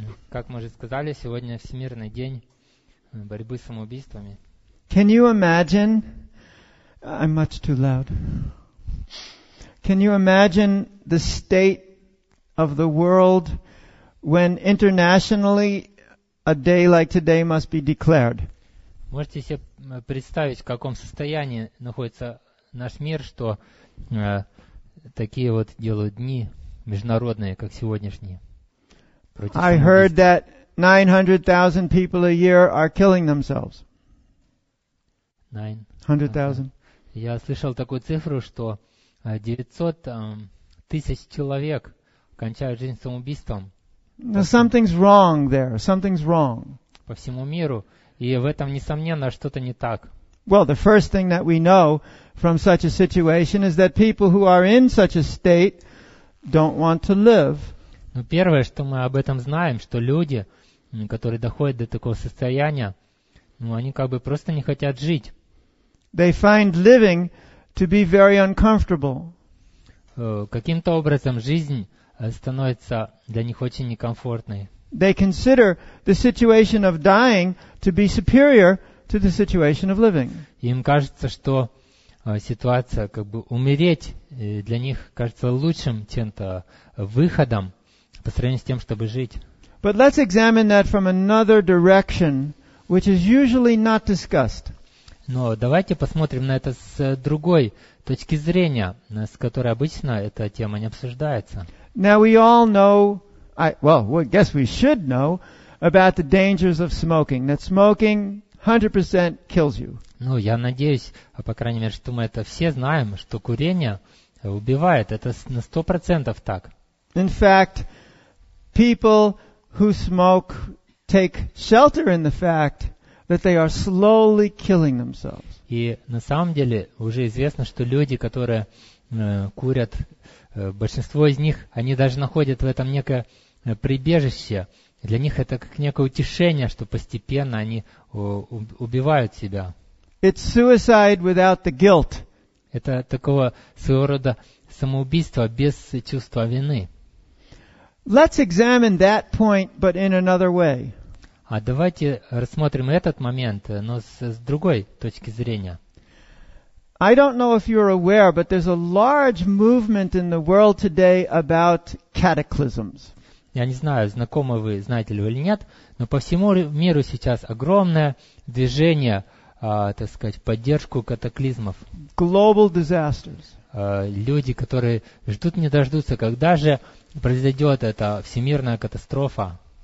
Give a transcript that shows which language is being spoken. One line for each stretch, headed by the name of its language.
Russian: Как мы уже сказали, сегодня Всемирный день борьбы с самоубийствами.
English: Can you imagine? I'm much too loud. Can you imagine the state of the world when internationally a day like today must be declared?
Russian: Можете себе представить, в каком состоянии находится наш мир, что такие вот делают дни международные, как сегодняшние?
English: I heard that 900,000 people a year are killing themselves. 900,000.
Russian: Я слышал такую цифру, что 900 тысяч человек кончают жизнь самоубийством.
English: Something's wrong there. Something's wrong.
Russian: По всему миру. И в этом, несомненно, что-то не так.
English: Well, the first thing that we know from such a situation is that people who are in such a state don't want to live.
Russian: Но первое, что мы об этом знаем, что люди, которые доходят до такого состояния, ну, они как бы просто не хотят жить.
English: They find living to be very uncomfortable.
Russian: Каким-то образом жизнь становится для них очень некомфортной.
English: They consider the situation of dying to be superior to the situation of living.
Russian: Им кажется, что ситуация как бы умереть для них кажется лучшим чем-то выходом по сравнению с тем, чтобы жить.
English: But let's examine that from another direction, which is usually not discussed.
Russian: Но давайте посмотрим на это с другой точки зрения, с которой обычно эта тема не обсуждается.
English: Now we all know, I guess we should know about the dangers of smoking. That smoking 100% kills you.
Russian: Ну, я надеюсь, а по крайней мере, что мы это все знаем, что курение убивает. Это на 100% так.
English: In fact, people who smoke take shelter in the fact that they are slowly killing themselves.
Russian: И на самом деле уже известно, что люди, которые курят, большинство из них, они даже находят в этом некое прибежище. Для них это как некое утешение, что постепенно они убивают себя.
English: It's suicide without the guilt.
Russian: Это такого своего рода самоубийство без чувства вины.
English: Let's examine that point, but in another way.
Russian: А давайте рассмотрим этот момент, но с другой точки зрения.
English: I don't know if you're aware, but there's a large movement in the world today about cataclysms.
Russian: Я не знаю, знакомы вы, знаете ли вы или нет, но по всему миру сейчас огромное движение, так сказать, в поддержку катаклизмов.
English: Global disasters.
Russian: Люди, которые ждут, не дождутся, когда же произойдет эта всемирная катастрофа.